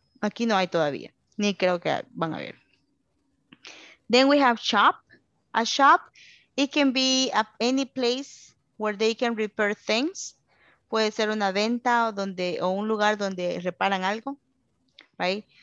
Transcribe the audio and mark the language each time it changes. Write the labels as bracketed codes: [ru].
[es] Aquí no hay todavía, ni creo que van a ver. [en] Then we have shop. A shop, it can be any place where they can repair things. [es] Puede ser una venta o donde o un lugar donde reparan algo, right?